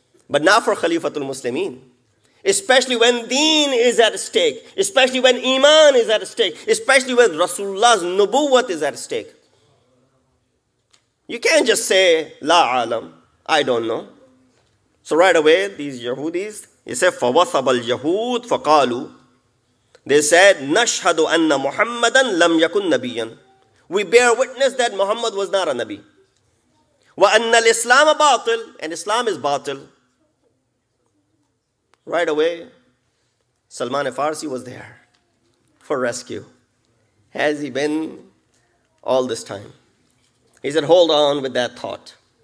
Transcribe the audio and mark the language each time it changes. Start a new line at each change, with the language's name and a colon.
English: But not for Khalifatul Muslimin. Especially when deen is at stake. Especially when iman is at stake. Especially when Rasulullah's nubuwat is at stake. You can't just say, la alam. I don't know. So right away, these Yahudis, he said,
Arabic: فَوَثَبَ الْيَهُودِ فَقَالُوا.
English: They said,
Arabic: نَشْهَدُ أَنَّ مُحَمَّدًا لَمْ يَكُنْ نَبِيًّا.
English: We bear witness that Muhammad was not a Nabi.
Arabic: وَأَنَّ الْإِسْلَامَ بَاطِلْ.
English: And Islam is batil. Right away, Salman al-Farsi was there for rescue. Has he been all this time? He said, hold on with that thought.